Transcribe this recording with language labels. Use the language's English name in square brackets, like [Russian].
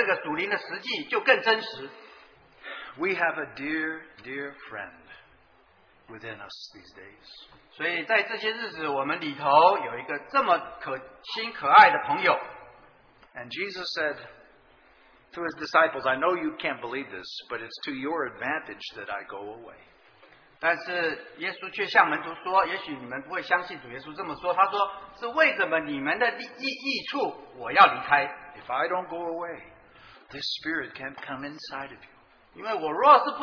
[Chinese] 所以在同时的时候,借着每一步每一步的行走,基督徒的这个属灵的实际就更真实。 [English] We have a dear, dear friend within us these days. [Chinese] 所以在这些日子,我们里头有一个这么可亲可爱的朋友。 [English] And Jesus said, to his disciples, I know you can't believe this, but it's to your advantage that I go away. [Chinese] 但是耶稣却向门徒说,也许你们不会相信主耶稣这么说,他说,是为着你们的益处,我要离开。 [English] If I don't go away, this Spirit can't come inside of you.